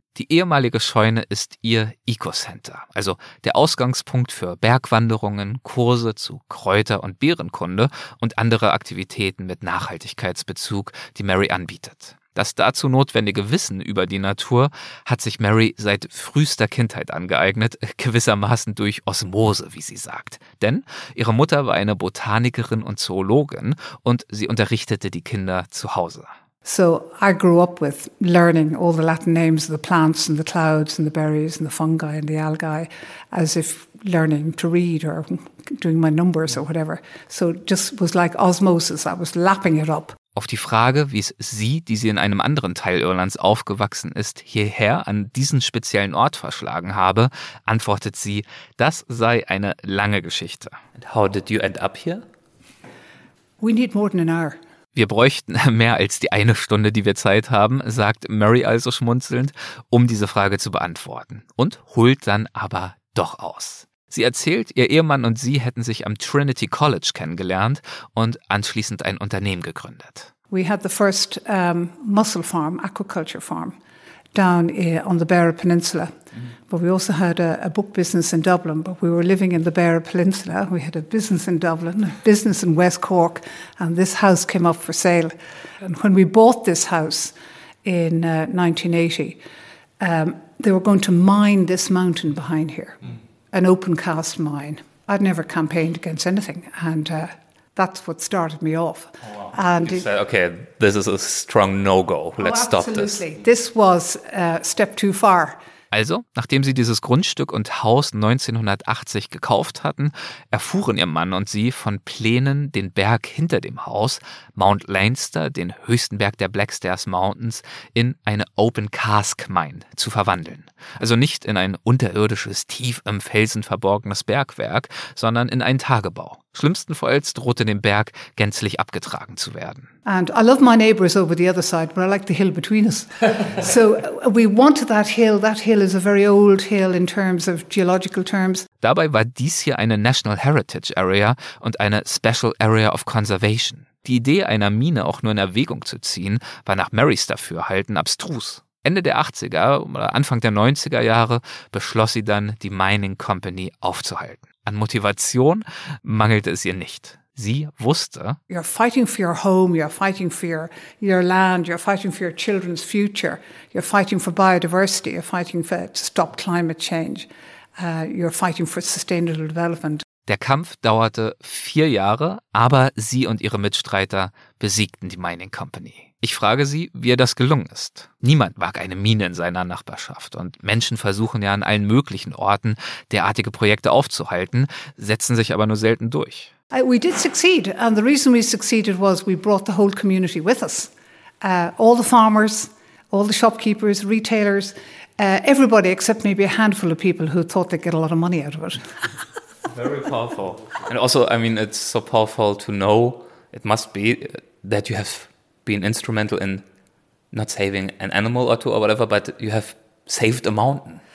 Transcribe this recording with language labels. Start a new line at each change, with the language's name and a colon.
German: Die ehemalige Scheune ist ihr Eco-Center, also der Ausgangspunkt für Bergwanderungen, Kurse zu Kräuter- und Beerenkunde und andere Aktivitäten mit Nachhaltigkeitsbezug, die Mary anbietet. Das dazu notwendige Wissen über die Natur hat sich Mary seit frühester Kindheit angeeignet, gewissermaßen durch Osmose, wie sie sagt. Denn ihre Mutter war eine Botanikerin und Zoologin und sie unterrichtete die Kinder zu Hause.
English: So I grew up with learning all the Latin names of the plants and the clouds and the berries and the fungi and the algae as if learning to read or doing my numbers or whatever. So it just was like osmosis, I was lapping it up.
German: Auf die Frage, wie es sie, die sie in einem anderen Teil Irlands aufgewachsen ist, hierher an diesen speziellen Ort verschlagen habe, antwortet sie, das sei eine lange Geschichte.
English: And how did you end up here? We need more than an hour.
German: Wir bräuchten mehr als die eine Stunde, die wir Zeit haben, sagt Mary also schmunzelnd, um diese Frage zu beantworten und holt dann aber doch aus. Sie erzählt, ihr Ehemann und sie hätten sich am Trinity College kennengelernt und anschließend ein Unternehmen gegründet.
English: We had the first mussel farm, aquaculture farm, down on the Beira Peninsula. But we also had a book business in Dublin, but we were living in the Beira Peninsula. We had a business in Dublin, a business in West Cork, and this house came up for sale. And when we bought this house in 1980, they were going to mine this mountain behind here, an open cast mine. I'd never campaigned against anything, and that's what started me off. Oh, wow. And you said, okay, this is a strong no-go. Let's stop this. Absolutely. This was a step too far.
German: Also, nachdem sie dieses Grundstück und Haus 1980 gekauft hatten, erfuhren ihr Mann und sie von Plänen, den Berg hinter dem Haus, Mount Leinster, den höchsten Berg der Black Stairs Mountains, in eine Open Cask Mine zu verwandeln. Also nicht in ein unterirdisches, tief im Felsen verborgenes Bergwerk, sondern in einen Tagebau. Schlimmstenfalls drohte dem Berg gänzlich abgetragen zu werden.
English: And I love my neighbors over the other side, but I like the hill between us. So we wanted that hill. That hill is a very old hill in terms of geological terms.
German: Dabei war dies hier eine National Heritage Area und eine Special Area of Conservation. Die Idee, einer Mine auch nur in Erwägung zu ziehen, war nach Marys Dafürhalten abstrus. Ende der 80er oder Anfang der 90er Jahre beschloss sie dann, die Mining Company aufzuhalten. An Motivation mangelte es ihr nicht. Sie wusste,
English: you're fighting for your home, you're fighting for your land, you're fighting for your children's future, you're fighting for biodiversity, you're fighting for to stop climate change, you're fighting for sustainable development.
German: Der Kampf dauerte 4 Jahre, aber sie und ihre Mitstreiter besiegten die Mining Company. Ich frage sie, wie ihr das gelungen ist. Niemand mag eine Mine in seiner Nachbarschaft und Menschen versuchen ja an allen möglichen Orten derartige Projekte aufzuhalten, setzen sich aber nur selten durch.
English: We did succeed, and the reason we succeeded was we brought the whole community with us. All the farmers, all the shopkeepers, retailers, everybody except maybe a handful of people who thought they'd get a lot of money out of it. Very powerful. And also, I mean, it's so powerful to know, it must be, that you have been instrumental in not saving an animal or two or whatever, but you have saved a mountain.